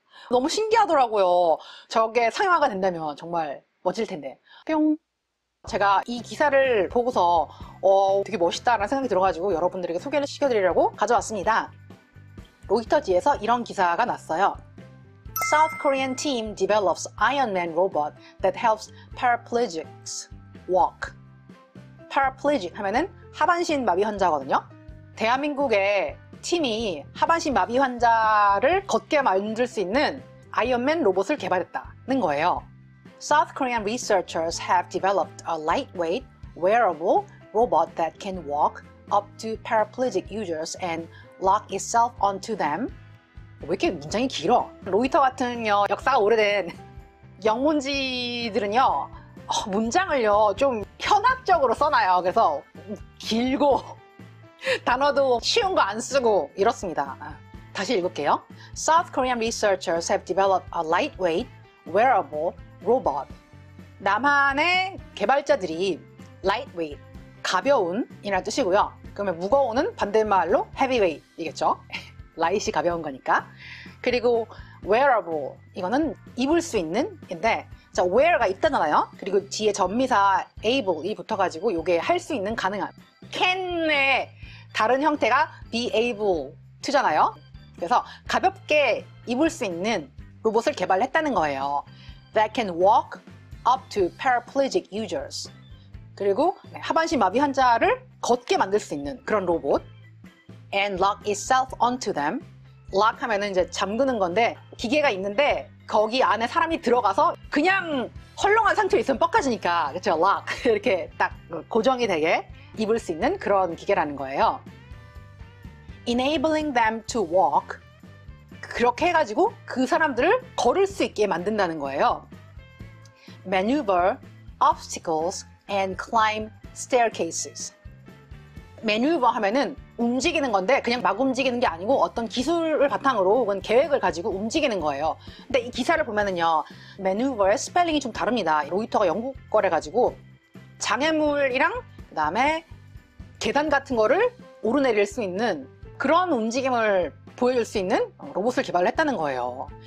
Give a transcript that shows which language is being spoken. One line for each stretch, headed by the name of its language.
Korean: 너무 신기하더라고요. 저게 상영화가 된다면 정말 멋질 텐데. 뿅. 제가 이 기사를 보고서, 되게 멋있다라는 생각이 들어가지고 여러분들에게 소개를 시켜드리려고 가져왔습니다. 로이터지에서 이런 기사가 났어요.
English: South Korean team develops Iron Man robot that helps paraplegics walk.
Korean: Paraplegic 하면은 하반신 마비 환자거든요. 대한민국의 팀이 하반신 마비 환자를 걷게 만들 수 있는 아이언맨 로봇을 개발했다는 거예요.
English: South Korean researchers have developed a lightweight, wearable robot that can walk up to paraplegic users and lock itself onto them.
Korean: 왜 이렇게 문장이 길어? 로이터 같은 역사가 오래된 영문지들은요, 문장을요, 좀 현학적으로 써놔요. 그래서 길고, 단어도 쉬운 거안 쓰고, 이렇습니다. 다시 읽을게요.
English: South Korean researchers have developed a lightweight, wearable robot.
Korean: 남한의 개발자들이 lightweight, 가벼운, 이란 뜻이고요. 그러면 무거운은 반대말로 heavyweight이겠죠? 라이시 가벼운 거니까. 그리고 wearable 이거는 입을 수 있는인데, 자 wear가 입다잖아요. 그리고 뒤에 전미사 able이 붙어가지고 요게 할수 있는 가능한. can의 다른 형태가 be able to잖아요. 그래서 가볍게 입을 수 있는 로봇을 개발했다는 거예요.
English: That can walk up to paraplegic users.
Korean: 그리고 하반신 마비 환자를 걷게 만들 수 있는 그런 로봇.
English: and lock itself onto them.
Korean: lock 하면은 이제 잠그는 건데, 기계가 있는데, 거기 안에 사람이 들어가서, 그냥 헐렁한 상태에 있으면 뻑가지니까, 그쵸?
English: lock.
Korean: 이렇게 딱 고정이 되게 입을 수 있는 그런 기계라는 거예요.
English: enabling them to walk.
Korean: 그렇게 해가지고 그 사람들을 걸을 수 있게 만든다는 거예요.
English: maneuver obstacles and climb staircases.
Korean: 매뉴버 하면은 움직이는 건데, 그냥 막 움직이는 게 아니고 어떤 기술을 바탕으로 혹은 계획을 가지고 움직이는 거예요. 근데 이 기사를 보면은요, 매뉴버의 스펠링이 좀 다릅니다. 로이터가 영국 거래 가지고 장애물이랑 그다음에 계단 같은 거를 오르내릴 수 있는 그런 움직임을 보여줄 수 있는 로봇을 개발했다는 거예요.